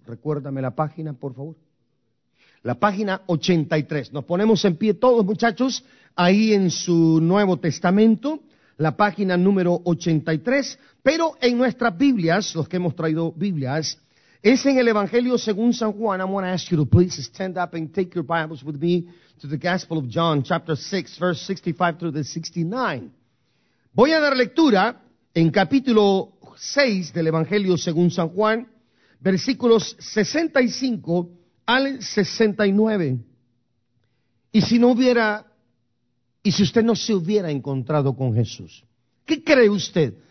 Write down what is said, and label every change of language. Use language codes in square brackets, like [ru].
[es] Recuérdame la página, por favor. La página 83. Nos ponemos en pie todos, muchachos, ahí en su Nuevo Testamento, la página número 83. Pero en nuestras Biblias, los que hemos traído Biblias, es en el Evangelio según San Juan. [en] I want to ask you to please stand up and take your Bibles with me to the Gospel of John, chapter 6, verse 65 through the 69. [es] Voy a dar lectura en capítulo 6 del Evangelio según San Juan, versículos 65 al 69. Y si no hubiera, y si usted no se hubiera encontrado con Jesús, ¿qué cree usted?